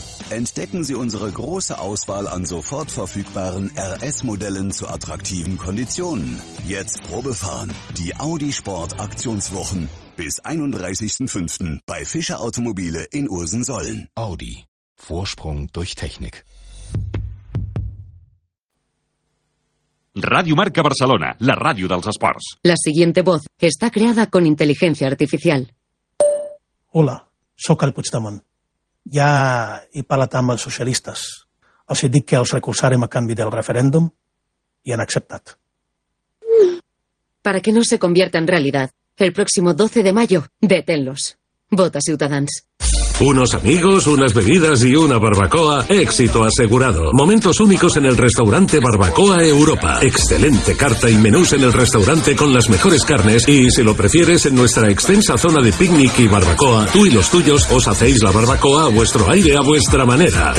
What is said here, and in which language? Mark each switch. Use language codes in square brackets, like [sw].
[de] Entdecken Sie unsere große Auswahl an sofort verfügbaren RS-Modellen zu attraktiven Konditionen. Jetzt Probefahren. Die Audi Sport Aktionswochen bis 31.05. bei Fischer Automobile in Ursensollen. Audi. Vorsprung durch Technik. [ca] Radio Marca Barcelona, la radio dels esports. [es] La siguiente voz está creada con inteligencia artificial. [ca] Hola, sóc el Puigdemont. Ja he parlat amb els socialistes. Els he dit que els recolzarem a canvi del referèndum i han acceptat. [es] Para que no se convierta en realidad, el próximo 12 de mayo, deténlos. Vota Ciutadans. Unos amigos, unas bebidas y una barbacoa, éxito asegurado. Momentos únicos en el restaurante Barbacoa Europa. Excelente carta y menús en el restaurante con las mejores carnes y, si lo prefieres, en nuestra extensa zona de picnic y barbacoa, tú y los tuyos os hacéis la barbacoa a vuestro aire, a vuestra manera.